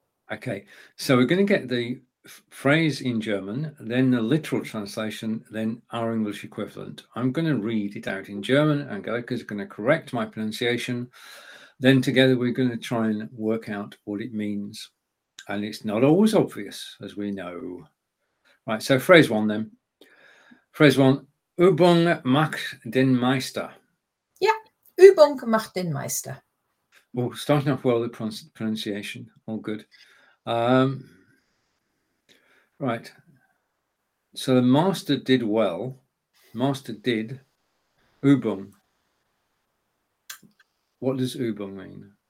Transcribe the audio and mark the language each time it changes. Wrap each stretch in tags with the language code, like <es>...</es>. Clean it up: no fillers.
<en>Okay, so we're going to get the phrase in German, then the literal translation, then our English equivalent. I'm going to read it out in German, and Angelica is going to correct my pronunciation. Then together we're going to try and work out what it means. And it's not always obvious, as we know. Right, so phrase 1 then. Phrase 1,</en> <de>Übung macht den Meister. Yeah, Übung macht den Meister.</de> <en>Well, starting off well, the pronunciation, all good. Right, so the master did well. Master did Übung. What does Übung mean?</en>